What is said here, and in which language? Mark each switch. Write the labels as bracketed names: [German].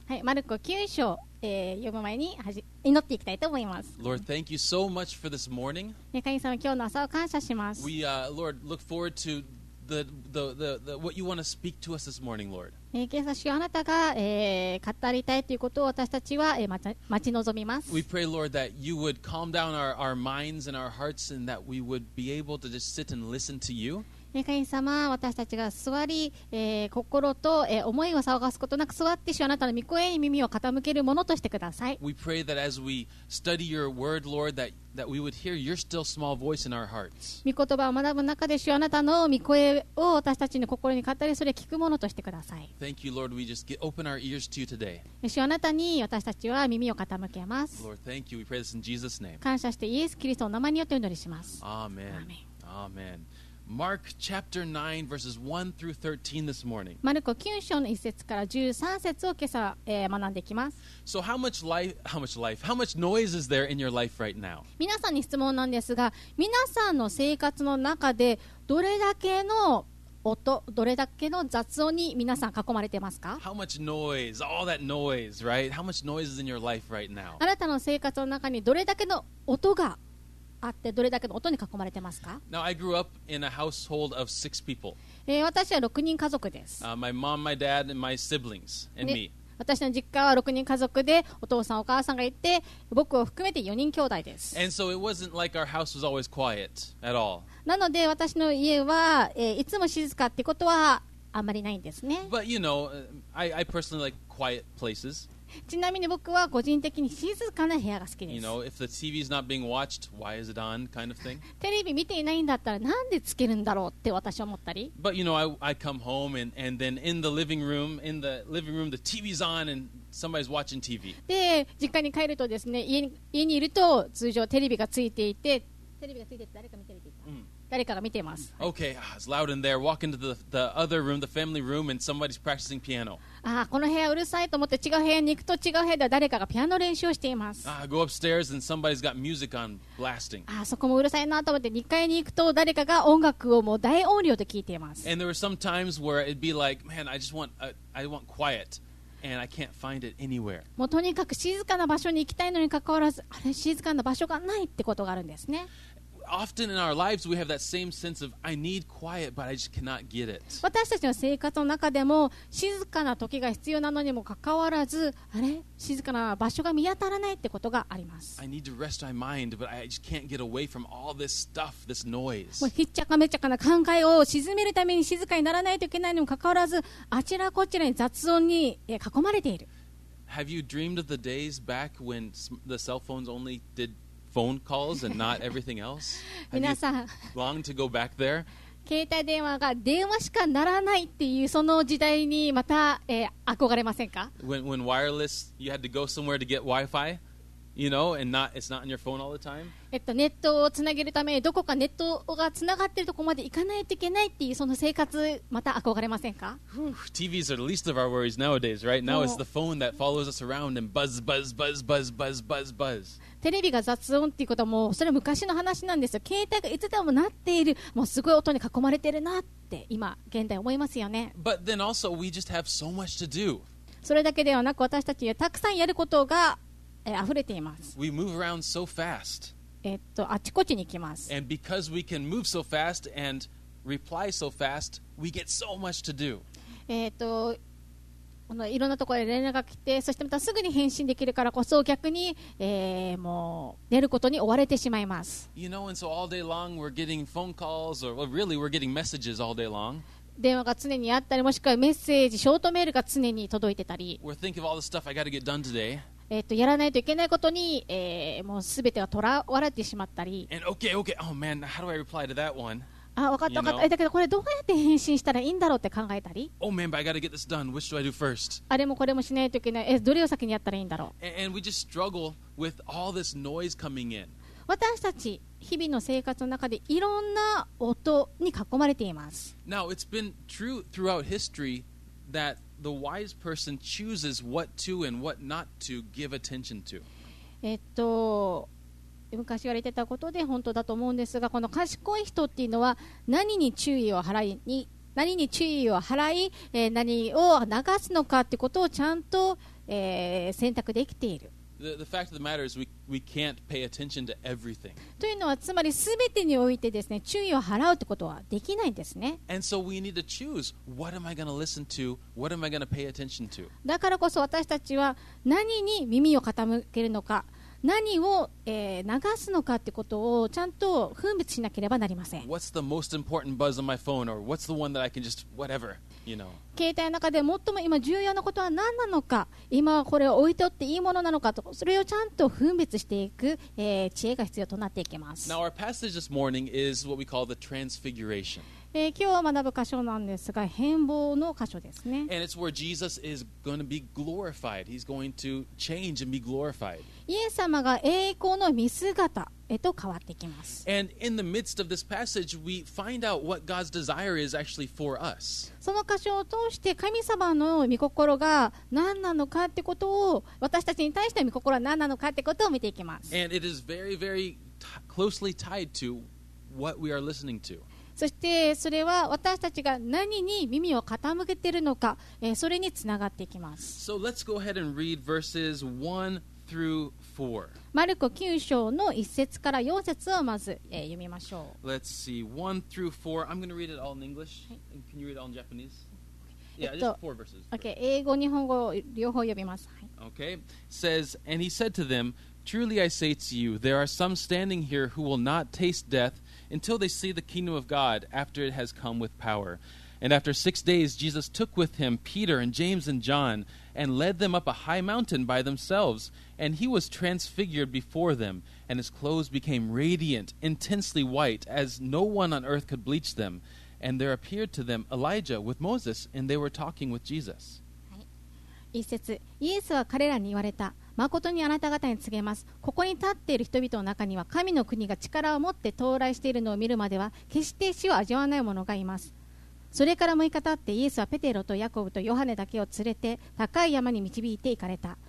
[Japanese] はい、マルコ9章、読む前に祈っていきたいと思います。 [English] Lord, thank you so much for this morning. [Japanese] 神様、今日の朝を感謝します。 [English] We, Lord, look forward to the what you want to speak to us this morning, Lord. [Japanese] 今朝、主よ、あなたが、語りたいということを私たちは、待ち望みます。 [English] We pray, Lord, that you would calm down our minds and our hearts and that we would be able to just sit and listen to you. [Japanese] 神様、私たちが座り、心と、思いを騒がすことなく座って主あなたの御声に耳を傾けるものとしてください。 [English] We pray that as we study your word, Lord, that we would hear your still small voice in our hearts. [Japanese] 御言葉を学ぶ中で主あなたの御声を私たちの心に語り、それを聞くものとしてください。 [English] Thank you, Lord. We just open our ears to you today. [Japanese] 主あなたに私たちは耳を傾けます。 [English] Lord, thank you. We pray this in Jesus' name. [Japanese] 感謝してイエス・キリストの名前によってお祈りします。 [English] Amen. Amen. Mark chapter 9 verses 1 through 13 this morning. [Japanese] マルコ9章の1節から13節を今朝、学んでいきます。 [English] So how much noise is there in your life right now? [Japanese] 皆さんに質問なんですが、皆さんの生活の中でどれだけの音、どれだけの雑音に皆さん囲まれてますか？ [English] How much noise? All that noise, right? How much noise is in your life right now? [Japanese] あなたの生活の中にどれだけの音があって、どれだけの音に囲まれてますか？ [English] Now, I grew up in a household of six people. [Japanese] 私は6人家族です。 [English] My mom, my dad, and my siblings, and me. [Japanese] 私の実家は6人家族で、お父さん、お母さんがいて、僕を含めて4人兄弟です。 [English] And so it wasn't like our house was always quiet at all. [Japanese] なので、私の家は、いつも静かってことはあまりないんですね。 [English] But you know, I personally like quiet places. [Japanese] ちなみに僕は個人的に静かな部屋が好きです。 [English] You know, if the TV is not being watched, why is it on? Kind of thing. [Japanese] テレビ見ていないんだったらなんでつけるんだろうって私は思ったり。 [English] But you know, I come home and then in the living room, the TV's on and somebody's watching TV. [Japanese] で、実家に帰るとですね、家にいると通常テレビがついていて、テレビがついてて誰か見てるって言った。誰かが見ています。 [English] Okay, it's loud in there. Walk into the other room, the family room, and somebody's practicing piano. [Japanese] ああ、この部屋うるさいと思って違う部屋に行くと違う部屋では誰かがピアノ練習をしています。 [English] Ah, go upstairs and somebody's got music on blasting. [Japanese] ああ、そこもうるさいなと思って2階に行くと誰かが音楽をもう大音量で聞いています。 [English] And there were some times where it'd be like, man, I want quiet. And I can't find it anywhere. [Japanese] もうとにかく静かな場所に行きたいのに関わらず、あれ静かな場所がないってことがあるんですね。 [English] Often in our lives, we have that same sense of I need quiet, but I just cannot get it. [Japanese] 私たちの生活の中でも静かな時が必要なのにもかかわらず、あれ静かな場所が見当たらないってことがあります。 [English] I need to rest my mind, but I just can't get away from all this stuff, this noise. [Japanese] もうひっちゃかめっちゃかな考えを沈めるために静かにならないといけないのにもかかわらず、あちらこちらに雑音に囲まれている。 [English] Have you dreamed of the days back when the cell phones only did? Phone calls and not everything else. Have you longed to go back there? [Japanese] 携帯電話が電話しかならないっていうその時代にまた、憧れませんか？ [English] When wireless, you had to go somewhere to get Wi-Fi, you know, and not it's not on your phone all the time. [Japanese] ネットをつなげるためにどこかネットがつながってるとこまで行かないといけないっていうその生活また憧れませんか？ [English] TVs are the least of our worries nowadays, right? Now it's the phone that follows us around and buzz, buzz, buzz, buzz, buzz, buzz, buzz. [Japanese] テレビが雑音っていうことはもうそれは昔の話なんですよ。携帯がいつでも鳴っている、もうすごい音に囲まれてるなって今現代思いますよね。 [English] But then also we just have so much to do. [Japanese] それだけではなく私たちはたくさんやることが溢れています。 [English] We move around so fast. [Japanese] あちこちに行きます。 [English] And because we can move so fast and reply so fast, we get so much to do. [Japanese] いろんなところで連絡が来て、そしてまたすぐに返信できるからこそ逆に、もう寝ることに追われてしまいます。 [English] You know, and so all day long we're getting phone calls or well, really we're getting messages all day long. [Japanese] 電話が常にあったり、もしくはメッセージ、ショートメールが常に届いてたり。 [English] We're thinking of all the stuff I gotta get done today. [Japanese] やらないといけないことに、もうすべてがとらわれてしまったり。 [English] And okay, okay, oh man, how do I reply to that one? [Japanese] あ、分かった、分かった。だけどこれどうやって返信したらいいんだろうって考えたり。 [English] Oh, man, but I gotta get this done. Which do I do first? [Japanese] あれもこれもしないといけない。どれを先にやったらいいんだろう。 [English] And we just struggle with all this noise coming in. [Japanese] 私たち日々の生活の中でいろんな音に囲まれています。 [English] Now, it's been true throughout history that the wise person chooses what to and what not to give attention to. [Japanese] 昔言われてたことで本当だと思うんですが、この賢い人っていうのは何に注意を払いに何に注意を払い、何を流すのかということをちゃんと、選択できている。 [English] The fact of the matter is we can't pay attention to everything. [Japanese] というのはつまり全てにおいてですね、注意を払うってことはできないんですね。 [English] And so we need to choose what am I going to listen to, what am I going to pay attention to. [Japanese] だからこそ私たちは何に耳を傾けるのか、何を、流すのかってことをちゃんと分別しなければなりません。 [English] What's the most important buzz on my phone, or what's the one that I can just whatever. You know. [Japanese] 携帯の中で最も今重要なことは何なのか、今はこれを置いておっていいものなのかと、それをちゃんと分別していく、知恵が必要となっていきます。 [English] Now, our passage this morning is what we call the transfiguration. [Japanese] 今日学ぶ箇所なんですが、変貌の箇所ですね。 [English] And it's where Jesus is going to be glorified. He's going to change and be glorified. [Japanese] イエス様が栄光の見姿へと変わっていきます。 [English] And in the midst of this passage, we find out what God's desire is actually for us. [Japanese] その箇所を通して神様の御心が何なのかってことを、私たちに対しての御心は何なのかってことを見ていきます。 [English] And it is very, very closely tied to what we are listening to. [Japanese] そしてそれは私たちが何に耳を傾けているのか、それにつながっていきます。 [English] So let's go ahead and read verses 1 through 4. [Japanese] マルコ9章の1節から4節をまず、読みましょう。 [English] Let's see, 1 through 4. I'm going to read it all in English.、はい、Can you read it all in Japanese? Yeah, just four verses. [Japanese] Okay, 英語、日本語両方読みます。はい、 [English] okay, says, And he said to them, Truly I say to you, there are some standing here who will not taste death until they see the kingdom of God after it has come with power. And after 6 days, Jesus took with him Peter and James and John and led them up a high mountain by themselves. And he was transfigured before them, and his clothes became radiant, intensely white, as no one on earth could bleach them. And there appeared to them Elijah with Moses, and they were talking with Jesus. [Japanese] 一節、イエスは彼らに言われた。まことにあなた方に告げます。ここに立っている人々の中には、神の国が力を持って到来しているのを見るまでは、決して死を味わわない者がいます。それから6日経って、イエスはペテロとヤコブとヨハネだけを連れて、高い山に導いて行かれた。